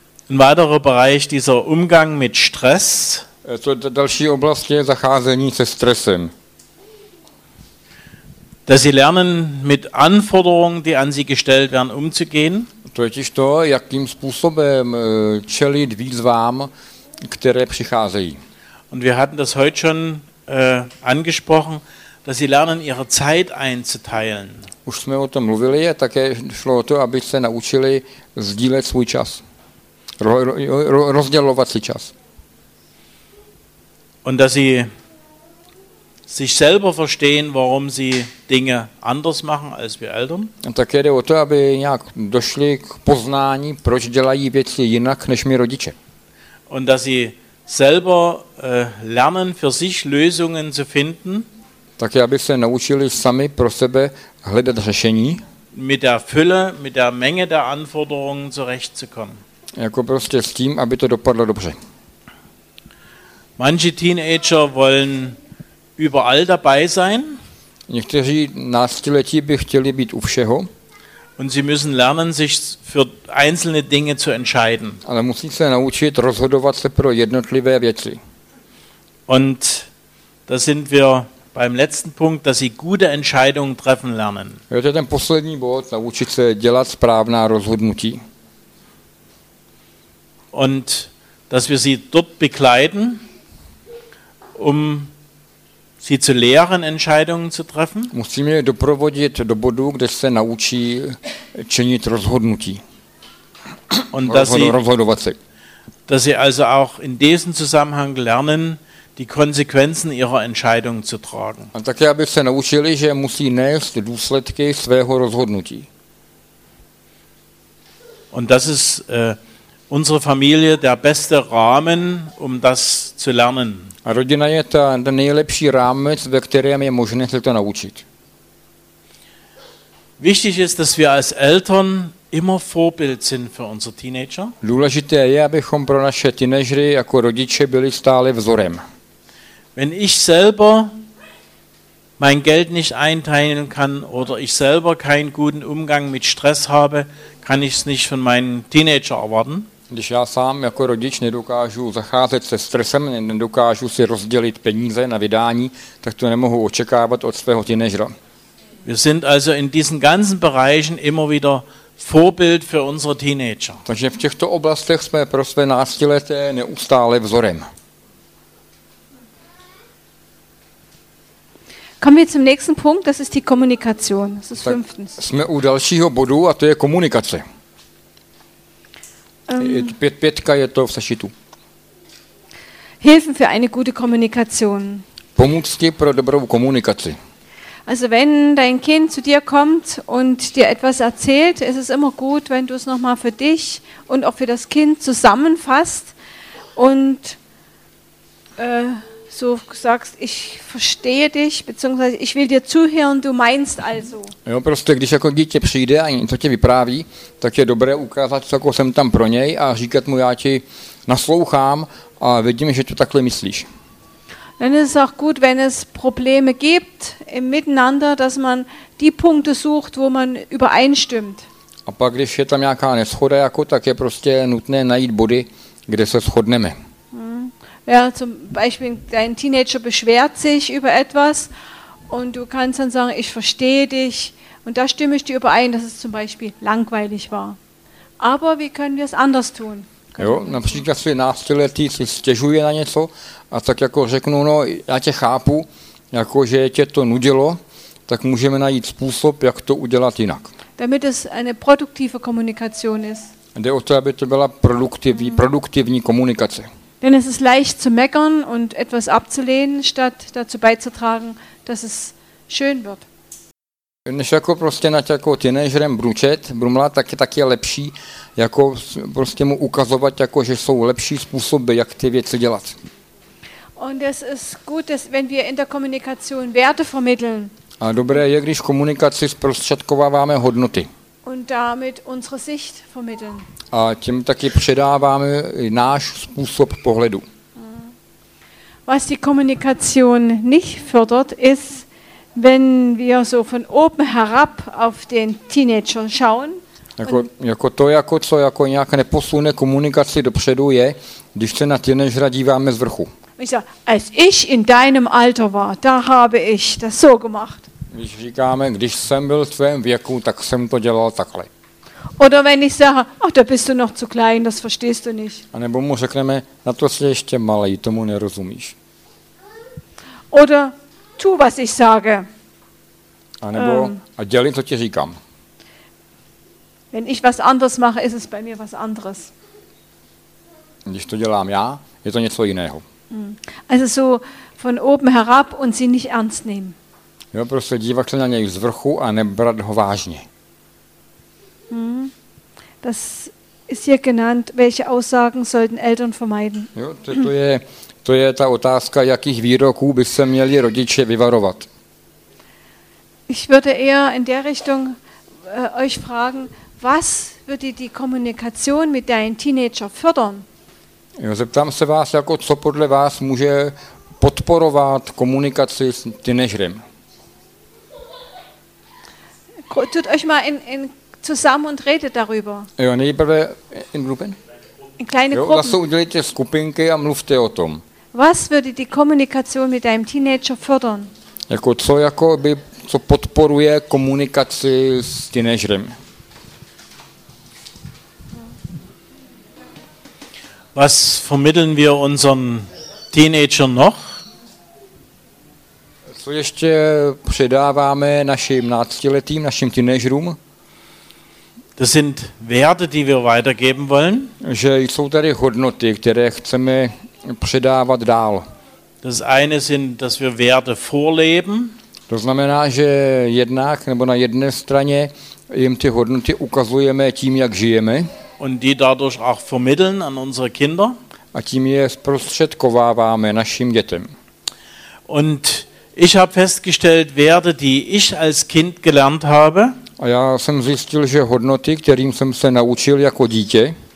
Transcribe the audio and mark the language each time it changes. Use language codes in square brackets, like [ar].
[de] Ein weiterer Bereich dieser Umgang mit Stress. [cs] To další oblast je zacházení se stresem. [de] Dass sie lernen, mit Anforderungen, die an sie gestellt werden, umzugehen. [cs] Totiž to, jakým způsobem čelit výzvám, které přicházejí. [de] Und wir hatten das heute schon angesprochen, dass sie lernen, ihre Zeit einzuteilen. [cs] Už jsme o tom mluvili, a také šlo o to, aby se naučili sdílet svůj čas, rozdělovat si čas. [de] Und dass sie sich selber verstehen, warum sie Dinge anders machen als wir Eltern. [cs] A také jde o to, aby nějak došli k poznání, proč dělají věci jinak než my rodiče. [de] Und dass sie selber lernen, für sich Lösungen zu finden. [cs] Také aby se naučili sami pro sebe hledat řešení. [de] Mit der Fülle, mit der Menge der Anforderungen zurechtzukommen. [cs] Jako prostě s tím, aby to dopadlo dobře. [de] Manche Teenager wollen überall dabei sein. [cs] Někteří náctiletí by chtěli být u všeho. [de] Und sie müssen lernen, sich für einzelne Dinge zu entscheiden. [cs] Ale musí se naučit rozhodovat se pro jednotlivé věci. [de] Und da sind wir beim letzten Punkt, dass sie gute Entscheidungen treffen lernen. [cs] Je to ten poslední bod, naučit se dělat správná rozhodnutí. [de] Und dass wir sie dort begleiten, um sie zu lehren, Entscheidungen zu treffen. [cs] Musíme je doprovodit do bodu, kde se naučí činit rozhodnutí. [de] Und dass sie, [cs] rozhodovat se. [de] Dass sie also auch in diesem Zusammenhang lernen, die Konsequenzen ihrer Entscheidungen zu tragen. [cs] A také, aby se naučili, že musí nést důsledky svého rozhodnutí. [de] Und das ist unsere Familie der beste Rahmen, um das zu lernen. [cs] A rodina je ten nejlepší rámec, ve kterém je možné se to naučit. [de] Wichtig ist, dass wir als Eltern immer Vorbild sind für unsere Teenager. [cs] Důležité je, abychom pro naše teenagery jako rodiče byli stále vzorem. [de] Wenn ich selber mein Geld nicht einteilen kann oder ich selber keinen guten Umgang mit Stress habe, kann ich es nicht von meinen Teenager erwarten. [cs] Když já sám jako rodič nedokážu zacházet se stresem, nedokážu si rozdělit peníze na vydání, tak to nemohu očekávat od svého teenagera. [de] Wir sind also in diesen ganzen Bereichen immer wieder Vorbild für unsere Teenager. [cs] Takže v těchto oblastech jsme pro své náctileté neustále vzorem. [de] Kommen wir zum nächsten Punkt, das ist die Kommunikation. Das ist fünftens. [cs] Jsme u dalšího bodu a to je komunikace. Pětka je to v sešitu. [de] Hilfen für eine gute Kommunikation. [cs] Pomůcky pro dobrou komunikaci. [de] Also wenn dein Kind zu dir kommt und dir etwas erzählt, ist es immer gut, wenn du es nochmal für dich und auch für das Kind zusammenfasst und so sagst, ich verstehe dich, beziehungsweise ich will dir zuhören, du meinst also. [cs] Jo, prostě, když jako dítě přijde a něco tě vypráví, tak je dobré ukázat, co jako jsem tam pro něj a říkat mu, já ti naslouchám a vidím, že to takhle myslíš. [de] Dann ist es auch gut, wenn es Probleme gibt im Miteinander, dass man die Punkte sucht, wo man übereinstimmt. [cs] A pak, když je tam nějaká neschoda, jako, tak je prostě nutné najít body, kde se shodneme. [de] Ja, zum Beispiel dein Teenager beschwert sich über etwas und du kannst dann sagen, ich verstehe dich und da stimme ich dir überein, dass es zum Beispiel langweilig war. Aber wie können wir es anders tun? [cs] Jo, například svý náctiletý si stěžuje na něco a tak jako řeknu, no já tě chápu, jako že tě to nudilo, tak můžeme najít způsob, jak to udělat jinak. [de] Damit es eine produktive Kommunikation ist. [cs] Jde o to, aby to byla produktivní komunikace. [de] Denn es ist leicht zu meckern und etwas abzulehnen, statt dazu beizutragen, dass es schön wird. [cs] Než jako prostě na jako teenagerem brůčet, brumlat, tak je taky lepší jako prostě mu ukazovat, jako, že jsou lepší způsoby, jak ty věci dělat. [de] Und es ist gut, dass, wenn wir in der Kommunikation Werte vermitteln. [cs] A dobré je, když komunikaci zprostředkováváme hodnoty. [de] Und damit unsere Sicht vermitteln. [cs] A tím taky předáváme náš způsob pohledu. [de] Was die Kommunikation nicht fördert, ist, wenn wir so von oben herab auf den Teenager schauen. [cs] Jako nějak neposune komunikaci dopředu je, když se na teenagera díváme z vrchu. [de] Als ich in deinem Alter war, da habe ich das so gemacht. [cs] Když říkáme, když jsem byl v tvém věku, tak jsem to dělal takhle. [de] Oder wenn ich sage, ach, da bist du noch zu klein, das verstehst du nicht. [cs] A nebo mu řekneme, na to jsi ještě malý, tomu nerozumíš. [de] Oder tu, was ich sage. [cs] A nebo, a dělím, co ti říkám. [de] Wenn ich was anderes mache, ist es bei mir was anderes. [cs] Když to dělám já, je to něco jiného. [de] Also so von oben herab und sie nicht ernst nehmen. [cs] Jo, prostě dívat se na něj z vrchu a nebrat ho vážně. [de] Das ist hier genannt, welche Aussagen sollten Eltern vermeiden? [cs] Jo, to je ta otázka, jakých výroků by se měli rodiče vyvarovat. [de] Ich würde eher in der Richtung euch fragen, was würde die Kommunikation mit deinen Teenager fördern? [cs] Jo, zeptám se vás, jako co podle vás může podporovat komunikaci s teenagerem? [de] Tut euch mal in zusammen und redet darüber. [cs] Jo, nejprve [de] in Gruppen? In kleine Gruppen. [cs] Jo, zase udělejte skupinky a mluvte o tom. [de] Was würde die Kommunikation mit deinem Teenager fördern? [cs] Jako co, jako by, co podporuje komunikaci s teenagerem? [de] Was vermitteln wir unseren Teenagern noch? [cs] Co ještě předáváme našim 19letým, našim teenagerům? [de] Das sind Werte, die wir weitergeben wollen. [cs] Že jsou tady hodnoty, které chceme předávat dál. [de] Das eine sind, dass wir Werte vorleben. [cs] To znamená, že jednak nebo na jedné straně jim ty hodnoty ukazujeme tím, jak žijeme. [de] Und die dadurch auch vermitteln an unsere Kinder. [cs] A tím je zprostředkováváme našim dětem. [de] Und ich habe festgestellt, Werte, die ich als Kind gelernt habe. [cs] A já jsem zjistil, že hodnoty, kterým jsem se naučil jako dítě,